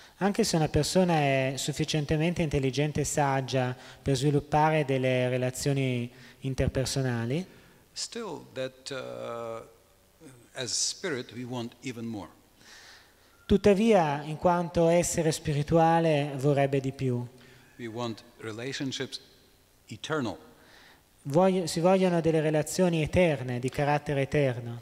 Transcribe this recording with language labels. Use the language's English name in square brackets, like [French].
[Italian] Anche se una persona è sufficientemente intelligente e saggia per sviluppare delle relazioni interpersonali, [English] still that, as spirit we want even more. [Italian] Tuttavia, in quanto essere spirituale, vorrebbe di più. [English] We want relationships eternal. [Italian] Si vogliono delle relazioni eterne, di carattere eterno.